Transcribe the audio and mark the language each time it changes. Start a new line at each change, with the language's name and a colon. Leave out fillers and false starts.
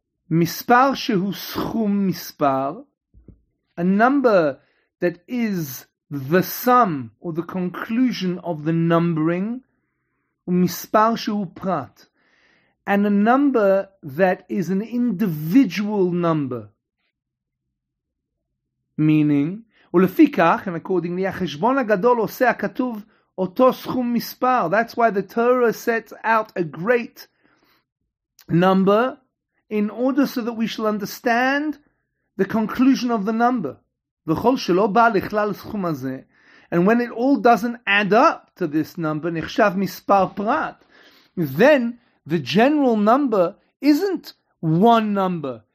Hebrew: Mispar shehu schum mispar,
English: a number that is the sum or the conclusion of the numbering,
Hebrew: mispar shehu prat,
English: and a number that is an individual number.
Hebrew: Meaning, ולפיכך,
English: and accordingly,
Hebrew: החשבון הגדול עושה הכתוב אותו סכום מספר.
English: That's why the Torah sets out a great number in order so that we shall understand the conclusion of the number.
Hebrew: וכל שלא בא לכלל סכום הזה,
English: and when it all doesn't add up to this number,
Hebrew: נחשב מספר פרט,
English: then the general number isn't one number.